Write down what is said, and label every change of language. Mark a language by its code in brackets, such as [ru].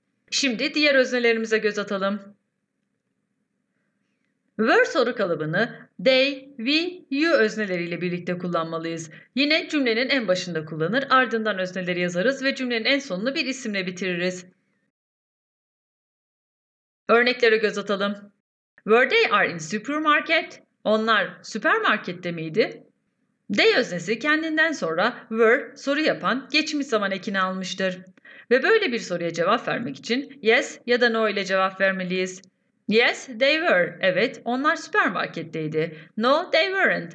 [tr] Şimdi diğer öznelerimize göz atalım. Were soru kalıbını they, we, you özneleriyle birlikte kullanmalıyız. Yine cümlenin en başında kullanır, ardından özneleri yazarız ve cümlenin en sonunu bir isimle bitiririz. Örneklere göz atalım. [en] Were they are in supermarket? [tr] Onlar süpermarkette miydi? They öznesi kendinden sonra were soru yapan geçmiş zaman ekini almıştır. Ve böyle bir soruya cevap vermek için yes ya da no ile cevap vermeliyiz. [en] Yes, they were. [tr] Evet, onlar süpermarketteydi. [en] No, they weren't.